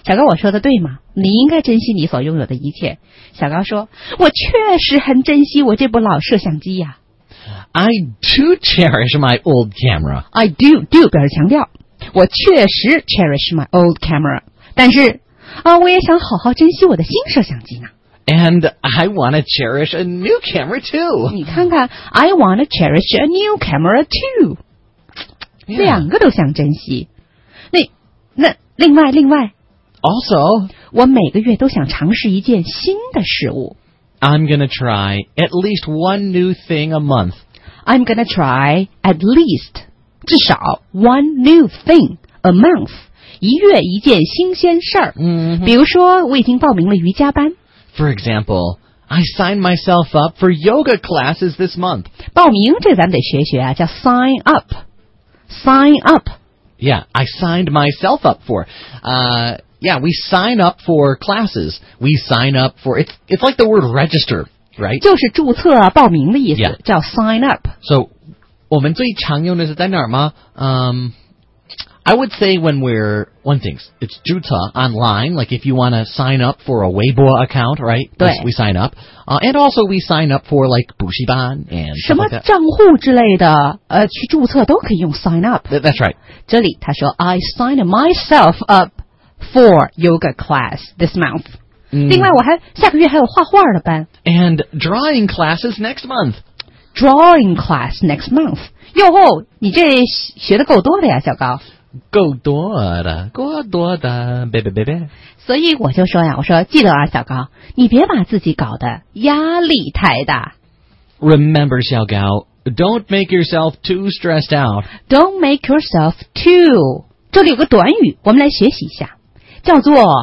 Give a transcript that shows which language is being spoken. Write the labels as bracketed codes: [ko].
[zh] 小高我说的对吗你应该珍惜你所拥有的一切小高说我确实很珍惜我这部老摄像机呀 [en] I do cherish my old camera. I do, do [zh] 表示强调我确实 [en] cherish my old camera. [zh] 但是我也想好好珍惜我的新摄像机呢。 [en] And I want to cherish a new camera too. [zh] 你看看 [en] ，I want to cherish a new camera too. Yeah. [zh] 两个都想珍惜。那另外 [en] Also, [zh] 我每个月都想尝试一件新的事物。 [en] I'm going to try at least one new thing a month. I'm going to try at least, 至少 one new thing a month, [zh] 一月一件新鲜事儿。 Mm-hmm. 比如说我已经报名了瑜伽班。 [en] For example,I signed myself up for yoga classes this month. [zh] 报名这咱们得学学啊，叫 sign up. Sign up. [en] Yeah, I signed myself up for. We sign up for classes. We sign up for, it's like the word register, right? [zh] 就是注册报名的意思、 [en] yeah. [zh] 叫 sign up. So, 我们最常用的是在哪儿吗？ [en] I would say when we're, one thing, it's 注册 online, like if you want to sign up for a Weibo account, right? [zh] 对。 [en] We sign up. And also we sign up for like 补习班 and [zh] 什么账户之类的去注册都可以用 sign up. [en] That's right. [zh] 这里他说 [en] I signed myself up for yoga class this month.、 Mm. [zh] 另外我还下个月还有画画的班。 [en] And drawing classes next month. Drawing class next month. [zh] 哟哦你这学的够多的呀小高。够多的，够多的，别别别别。所以我就说呀，我说记得啊，小高，你别把自己搞得压力太大。 [en] Remember, 小高, don't make yourself too stressed out. Don't make yourself too. [zh] 这里有个短语，我们来学习一下，叫做